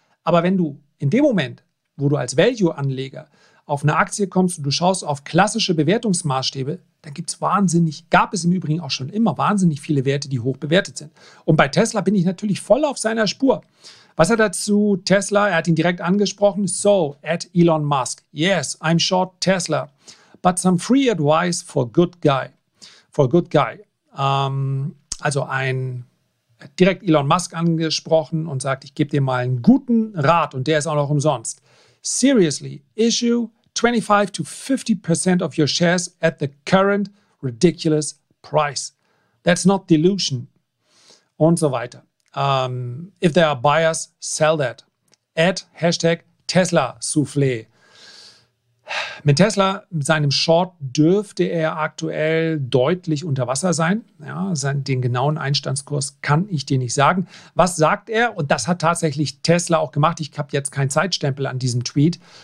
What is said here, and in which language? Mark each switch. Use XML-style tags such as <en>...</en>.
<de>Aber wenn du in dem Moment, wo du als Value-Anleger auf eine Aktie kommst und du schaust auf klassische Bewertungsmaßstäbe, dann gab es im Übrigen auch schon immer wahnsinnig viele Werte, die hoch bewertet sind. Und bei Tesla bin ich natürlich voll auf seiner Spur. Was hat er zu Tesla? Er hat ihn direkt angesprochen.</de> <en>So, at Elon Musk. Yes, I'm short Tesla. But some free advice for good guy. For good guy.</en> <de>Er hat direkt Elon Musk angesprochen und sagt, ich gebe dir mal einen guten Rat und der ist auch noch umsonst.</de> <en>Seriously, issue 25 to 50% of your shares at the current ridiculous price. That's not dilution.</en> <de>Und so weiter.</de> <en>If there are buyers, sell that. Add Hashtag Tesla Soufflé.</en> <de>Mit Tesla, mit seinem Short, dürfte er aktuell deutlich unter Wasser sein. Ja, den genauen Einstandskurs kann ich dir nicht sagen. Was sagt er? Und das hat tatsächlich Tesla auch gemacht. Ich habe jetzt keinen Zeitstempel an diesem Tweet.</de>